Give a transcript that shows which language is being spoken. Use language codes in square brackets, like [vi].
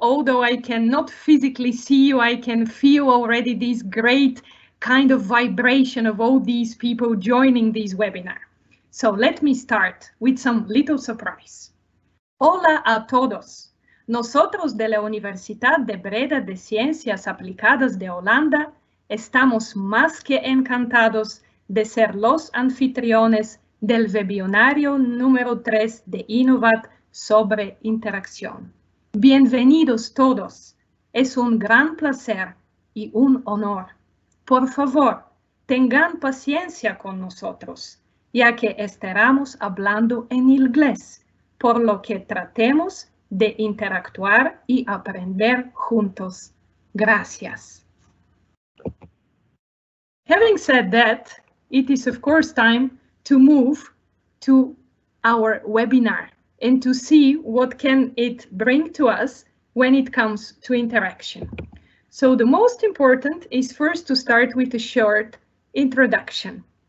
[en] Although I cannot physically see you, I can feel already this great kind of vibration of all these people joining this webinar. So let me start with some little surprise. [es] Hola a todos. Nosotros de la Universidad de Breda de Ciencias Aplicadas de Holanda estamos más que encantados de ser los anfitriones del webinario número 3 de INNOVAT sobre interacción. Bienvenidos todos. Es un gran placer y un honor. Por favor, tengan paciencia con nosotros, ya que estaremos hablando en inglés, por lo que tratemos de interactuar y aprender juntos. Gracias. [en] Having said that, it is of course time to move to our webinar and to see what can it bring to us when it comes to interaction. So the most important is first to start with a short introduction.